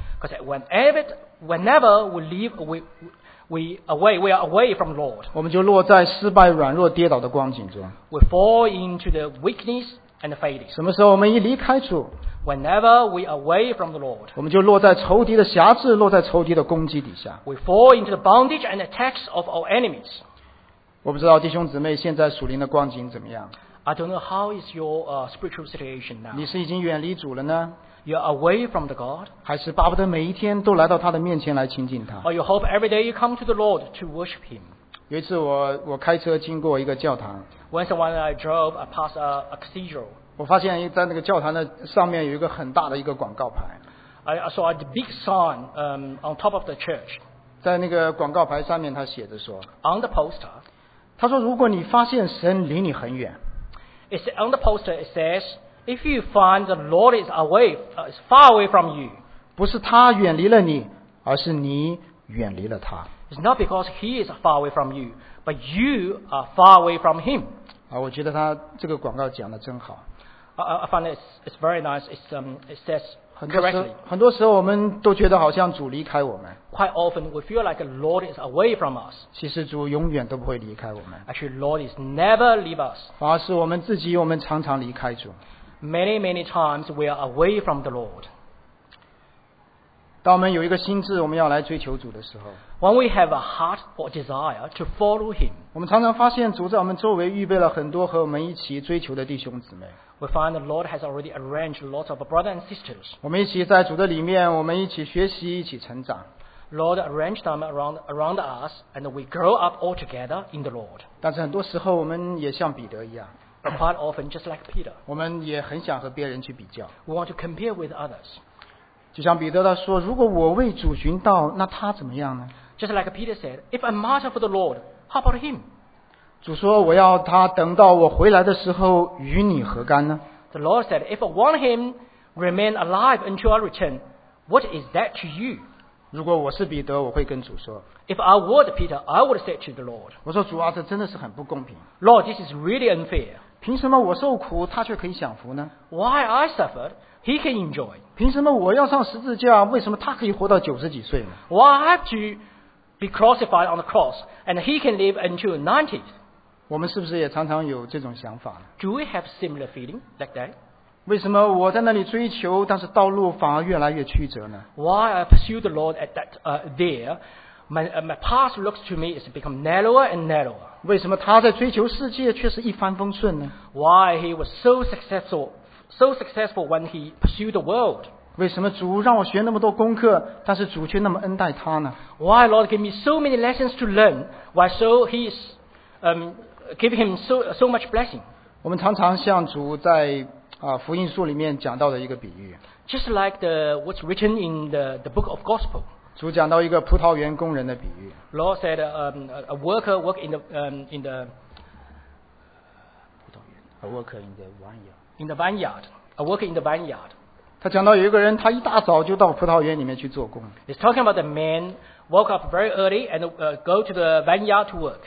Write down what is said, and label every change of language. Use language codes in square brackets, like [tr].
[en] Because whenever we leave, we are away from the Lord. [zh] 我们就落在失败、软弱、跌倒的光景中。 [en] We fall into the weakness and the failure. [zh] 什么时候我们一离开主？ [en] Whenever we are away from the Lord, [zh] 我们就落在仇敌的辖制，落在仇敌的攻击底下。 [en] We fall into the bondage and attacks of our enemies. [zh] 我不知道弟兄姊妹现在属灵的光景怎么样。 [en] I don't know how is your spiritual situation now. [zh] 你是已经远离主了呢？ [en] You are away from the God. [zh] 还是巴不得每一天都来到他的面前来亲近他？ [en] Or you hope every day you come to the Lord to worship Him. [zh] 有一次我开车经过一个教堂。 [en] Once when I drove past a cathedral. [zh] 我发现在那个教堂的上面有一个很大的一个广告牌。 [en] I saw a big sign on top of the church. [zh] 在那个广告牌上面他写着说， [en] On the poster, [zh] 他说如果你发现神离你很远， [en] On the poster it says, If you find the Lord is away, is far away from you, [zh] 不是他远离了你，而是你远离了他。 [en] It's not because he is far away from you, but you are far away from him. [zh] 我觉得他这个广告讲的真好。 [en] I find it's very nice. It says correctly. [zh] 很多时候我们都觉得好像主离开我们。 [en] Quite often we feel like the Lord is away from us. [zh] 其实主永远都不会离开我们。 [en] Actually, Lord is never leave us. [zh] 反而是我们自己，我们常常离开主。 [en] Many, many times we are away from the Lord. [zh] 当我们有一个心志，我们要来追求主的时候。 [en] When we have a heart or desire to follow Him, [zh] 我们常常发现主在我们周围预备了很多和我们一起追求的弟兄姊妹。 [en] We find the Lord has already arranged lots of brothers and sisters. [zh] 我们一起在主的里面，我们一起学习，一起成长。 [en] Lord arrange them around us, and we grow up all together in the Lord. [zh] 但是很多时候我们也像彼得一样。 [en] But quite often, just like Peter. [zh] 我们也很想和别人去比较。 [en] We want to compare with others. [zh] 就像彼得他说，如果我为主寻道，那他怎么样呢？ [en] Just like Peter said, if I matter for the Lord, how about him? [zh] 主说，我要他等到我回来的时候与你何干呢？ [en] The Lord said, if I want him remain alive until I return, what is that to you? [zh] 如果我是彼得，我会跟主说。 [en] If I were Peter, I would say to the Lord. [zh] 我说主啊，这真的是很不公平。 [en] Lord, this is really unfair. [zh] 凭什么我受苦，他却可以享福呢 [en] ？Why I suffered, he can enjoy. [zh] 凭什么我要上十字架，为什么他可以活到九十几岁呢 [en] ？Why I have to be crucified on the cross, and he can live until 90? [zh] 我们是不是也常常有这种想法呢 [en] ？Do we have similar feeling like that? [zh] 为什么我在那里追求，但是道路反而越来越曲折呢 [en] ？Why I pursue the Lord at that there, my path looks to me is become narrower and narrower. [zh] 为什么他在追求世界却是一帆风顺呢 [en] ？Why he was so successful when he pursued the world? [zh] 为什么主让我学那么多功课，但是主却那么恩待他呢 [en] ？Why Lord gave me so many lessons to learn? Why so he's give him so much blessing? [zh] 我们常常向主在福音书里面讲到的一个比喻 [en] Just like what's written in the book of gospel [zh] 主讲到一个葡萄园工人的比喻 [en] Lord said a worker work in the [zh] 葡萄园 [en] A worker in the vineyard A worker in the vineyard [zh] 他讲到有一个人他一大早就到葡萄园里面去做工 [en] He's talking about the man woke up very early and go to the vineyard to work